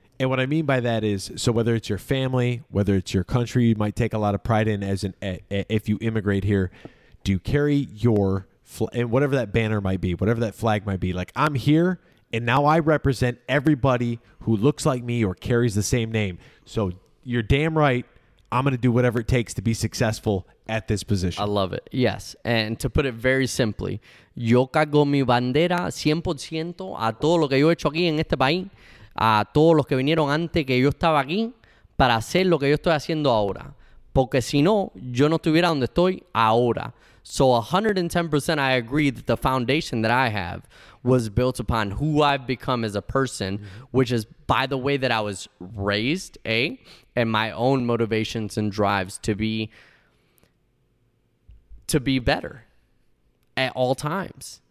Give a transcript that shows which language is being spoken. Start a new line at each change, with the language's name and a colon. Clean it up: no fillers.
English: And what I mean by that is, so whether it's your family, whether it's your country, you might take a lot of pride in as if you immigrate here, do you carry your and whatever that banner might be, whatever that flag might be, like I'm here and now I represent everybody who looks like me or carries the same name. So you're damn right. I'm going to do whatever it takes to be successful at this position. I love it. Yes.
Spanish: And to put it very simply, yo cargo mi bandera 100% a todo lo que yo he hecho aquí en este país, a todos los que vinieron antes que yo estaba aquí para hacer lo que yo estoy haciendo ahora. Porque si no, yo no estuviera donde estoy ahora.
English: So 110% I agree that the foundation that I have was built upon who I've become as a person, which is by the way that I was raised, and my own motivations and drives to be better at all times.